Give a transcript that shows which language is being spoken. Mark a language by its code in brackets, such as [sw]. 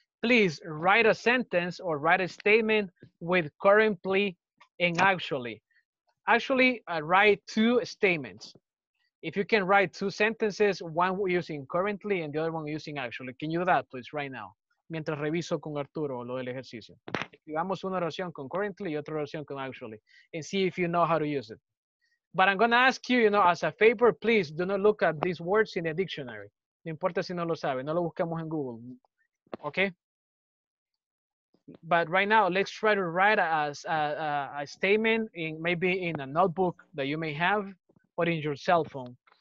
[en] please write a sentence or write a statement with currently and actually. Actually, write two statements. If you can write two sentences, one using currently and the other one using actually. Can you do that, please, right now? [es] Mientras reviso con Arturo lo del ejercicio. Escribamos una oración con currently y otra oración con actually. [en] And see if you know how to use it. But I'm going to ask you, you know, as a favor, please do not look at these words in the dictionary. [es] No importa si no lo sabe. No lo buscamos en Google. Okay? [en] But right now, let's try to write a statement in maybe in a notebook that you may have or in your cell phone.